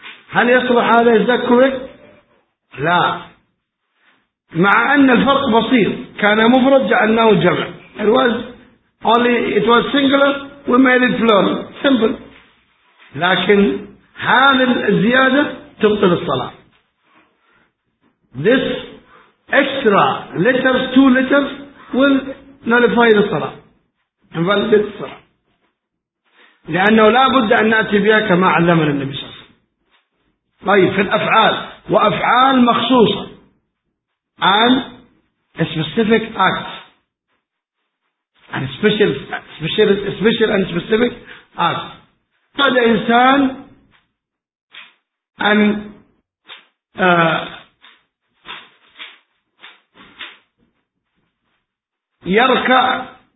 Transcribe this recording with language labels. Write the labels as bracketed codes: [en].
[ar] هل يصلح هذا؟ [en] Is that correct? [ar] لا. مع أن الفرق بسيط, كان مفرد جعلناه جمع. [en] It was only it was singular, we made it plural, simple. [ar] لكن هذا الزيادة تبطل الصلاة. [en] This extra letters, two letters will nullify the صلاة, invalidate the صلاة. [ar] لأنه لا بد أن نأتي بها كما علمنا النبي صلى الله عليه وسلم. طيب في الأفعال, وأفعال مخصوصة [en] and specific acts and special and specific acts. [ar] قد إنسان أن يركع.